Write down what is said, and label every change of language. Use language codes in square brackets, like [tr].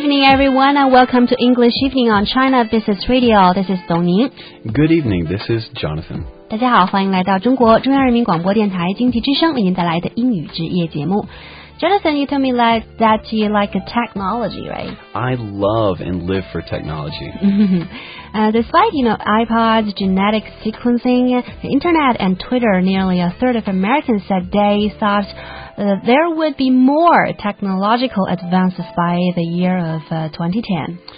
[en] everyone, and welcome to English Evening on China Business Radio. This is Dong Ning. Good evening, this is Jonathan. [zh] 大家好，欢迎来到中国中央人民广播电台经济之声为您带来的英语之夜节目。 [en] Jonathan, you told me that you like technology, right? I love and live for technology. Despite, you know, iPods, genetic sequencing, the internet and Twitter, nearly a third of Americans said they thoughtthere would be more technological advances by the year of 2010.